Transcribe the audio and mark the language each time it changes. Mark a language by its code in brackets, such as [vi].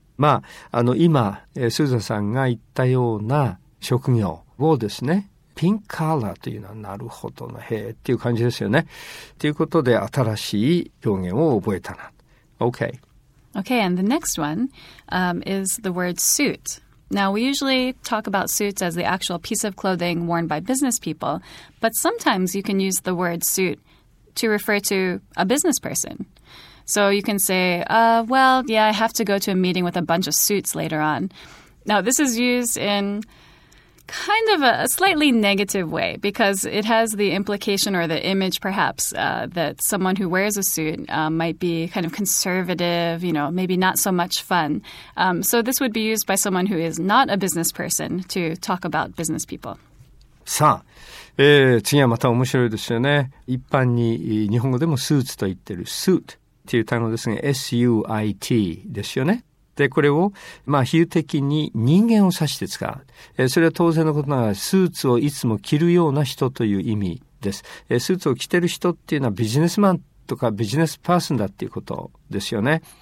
[ja] まあ、今、スーザンさんが言ったような職業をですね、ピンクカーラーというのはなるほどな、へーっていう感じですよね。ということで新しい表現を覚えたな。OK。 [en] Okay, and the next one is the word suit. Now, we usually talk about suits as the actual piece of clothing worn by business people, but sometimes you can use the word suit to refer to a business person. So you can say, well, yeah, I have to go to a meeting with a bunch of suits later on. Now, this is used in kind of a slightly negative way because it has the implication or the image, perhaps, that someone who wears a suit might be kind of conservative, you know, maybe not so much fun. So this would be used by someone who is not a business person to talk about business people. [ja] さあ、次はまた面白いですよね。一般に日本語でもスーツと言ってる、スーツっていう単語ですが、SUIT ですよね。でこれを、まあ、比喩的に人間を指して使う、それは当然のことながらスーツをいつも着るような人という意味です、スーツを着てる人っていうのはビジネスマンとかビジネスパーソンだっていうことですよね。